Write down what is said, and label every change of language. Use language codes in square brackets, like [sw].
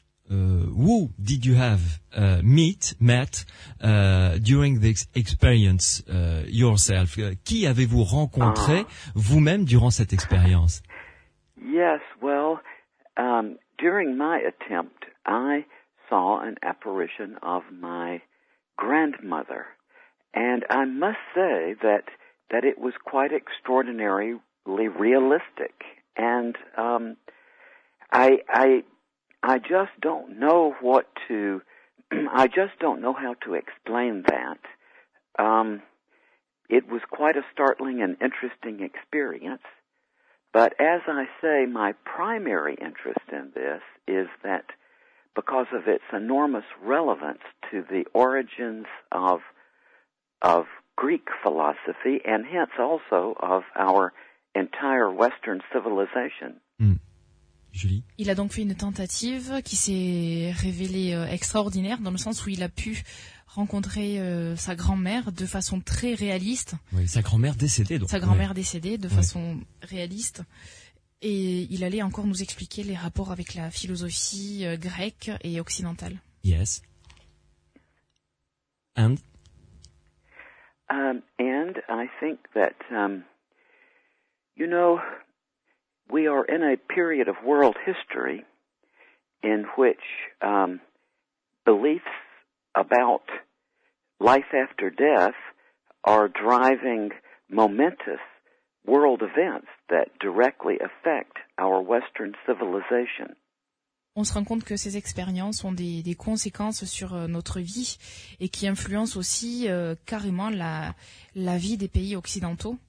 [en] Who did you have met during this experience yourself? [fr] Qui avez-vous rencontré vous-même durant cette expérience? [en] Yes, well, during my attempt, I saw an apparition of my grandmother. And I must say that it was quite extraordinarily realistic. And I just don't know how to explain that. It was quite a startling and interesting experience. But as I say, my primary interest in this is that because of its enormous relevance to the origins of Greek philosophy and hence also of our entire Western civilization. Julie. [fr] Il a donc fait une tentative qui s'est révélée extraordinaire dans le sens où il a pu rencontrer sa grand-mère de façon très réaliste. Oui, sa grand-mère décédée. Donc. Sa grand-mère décédée de façon réaliste. Et il allait encore nous expliquer les rapports avec la philosophie grecque et occidentale. [en] Yes. And? And I think that, you know... We are in a period of world history in which beliefs about life after death are driving momentous world events that directly affect our Western civilization. [fr] On se rend compte que ces expériences ont des conséquences sur notre vie et qui influencent aussi carrément la vie des pays occidentaux.